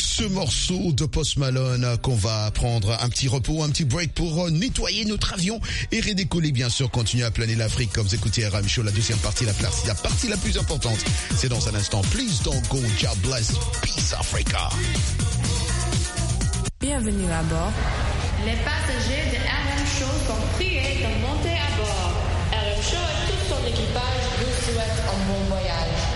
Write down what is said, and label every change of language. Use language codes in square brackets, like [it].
[fr] Morceau de Post Malone qu'on va prendre un petit repos, un petit break pour nettoyer notre avion et redécoller, bien sûr, continuer à planer l'Afrique comme vous écoutez Aram Show, la deuxième partie, la partie la plus importante, c'est dans un instant. [en] Please don't go, God bless, peace Africa. [fr] Bienvenue à bord. Les passagers de Aram Show sont priés de monter à bord. Aram Show et tout son équipage vous souhaitent un bon voyage.